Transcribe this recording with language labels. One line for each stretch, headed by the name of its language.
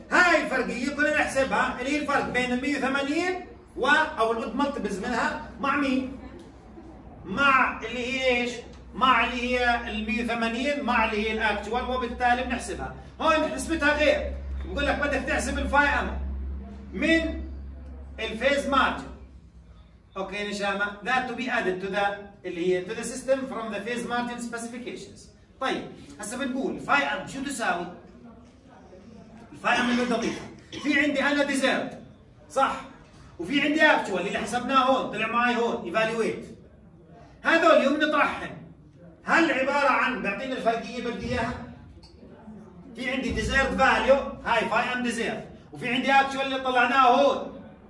Arabic: هاي الفرقيه كنا نحسبها اللي هي الفرق بين ال 180 و او الاود ملتبلز منها مع مين؟ مع اللي هي ايش؟ مع اللي هي ال 180 مع اللي هي الاكتوال، وبالتالي بنحسبها. هون حسبتها غير، بقول لك بدك تحسب الفاي ام من الفيز مارجن. اوكي نشامه؟
English: That to be added to the اللي هي to the system from the phase margin specifications.
Arabic: طيب هسه بنقول الفاي ام شو تساوي؟ الفاي ام اللي بدي اضيفها، في عندي انا ديزيرت صح؟ وفي عندي اكتوال اللي حسبناه هون طلع معي هون ايفالويت، هذول يوم نطرحهم هل عبارة عن بعطيني الفرقية بالديها؟ في عندي desired value هاي phi m desired وفي عندي actual اللي طلعناه هون.